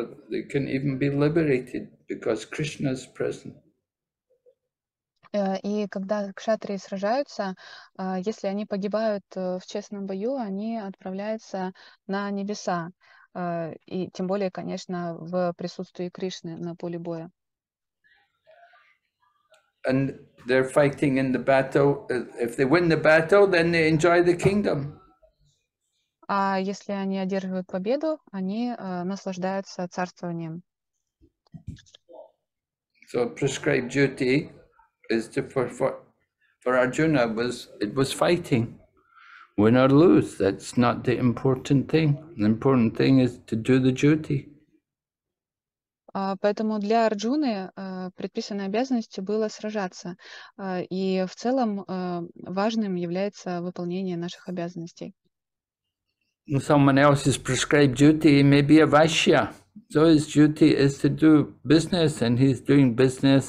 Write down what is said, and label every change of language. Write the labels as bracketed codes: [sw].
[en] They can even be liberated because Krishna's present. [ru] И когда кшатрии сражаются, если они погибают в честном бою, они отправляются на небеса. И тем более, конечно, в присутствии Кришны на поле боя. [en] And they're fighting in the battle. If they win the battle, then they enjoy the kingdom. [ru] А если они одерживают победу, они наслаждаются царствованием. [en] So prescribed duty is to for Arjuna was it was fighting. Win or lose, that's not the important thing. The important thing is to do the duty. [ru] Поэтому для Арджуны предписанной обязанностью было сражаться. И в целом важным является выполнение наших обязанностей. [en] Someone else is prescribed duty, maybe a Vaishya. So his duty is to do business, and he's doing business.